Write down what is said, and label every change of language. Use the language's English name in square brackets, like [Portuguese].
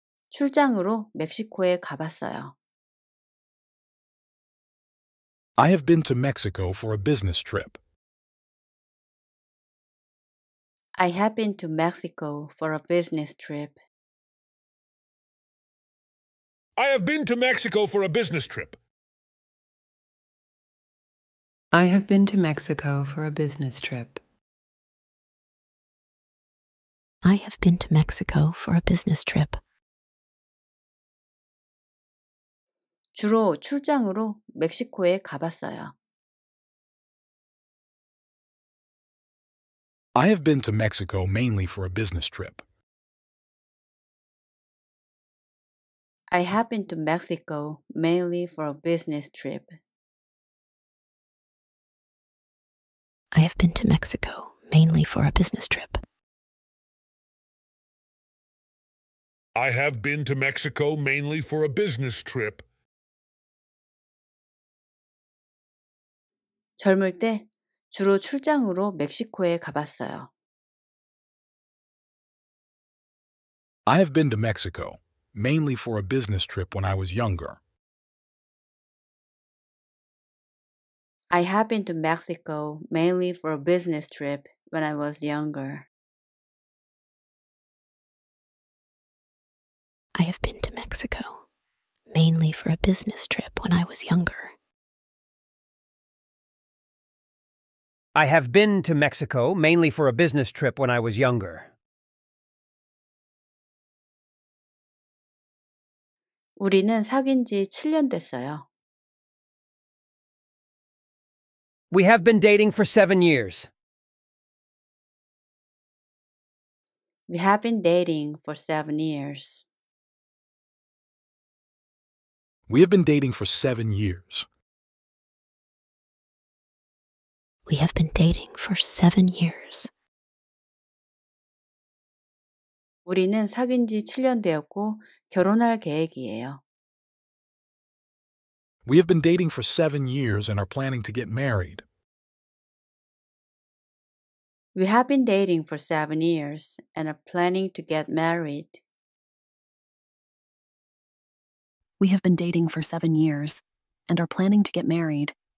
[Korean] 출장으로 멕시코에 가봤어요. [English] I have been to Mexico for a business trip. I have been to Mexico for a business trip. I have been to Mexico for a business trip. I have been to Mexico for a business trip. I have been to Mexico for a business trip. [Korean] 주로 출장으로 멕시코에 가봤어요. [English] I have been to Mexico mainly for a business trip. I have been to Mexico mainly for a business trip. I have been to Mexico mainly for a business trip. I have been to Mexico mainly for a business trip. [Korean] 젊을 때 주로 출장으로 멕시코에 가봤어요. [English] I have been to Mexico mainly for a business trip when I was younger. I have been to Mexico mainly for a business trip when I was younger. I have been to Mexico mainly for a business trip when I was younger. I have been to Mexico mainly for a business trip when I was younger. [Korean] 우리는 사귄 지 7년 됐어요. [English] We have been dating for 7 years. We have been dating for 7 years. We have been dating for 7 years. We have been dating for 7 years. [Korean] 우리는 사귄 지 7년 되었고 결혼할 계획이에요. [English] We have been dating for 7 years and are planning to get married. We have been dating for 7 years and are planning to get married. We have been dating for 7 years and are planning to get married.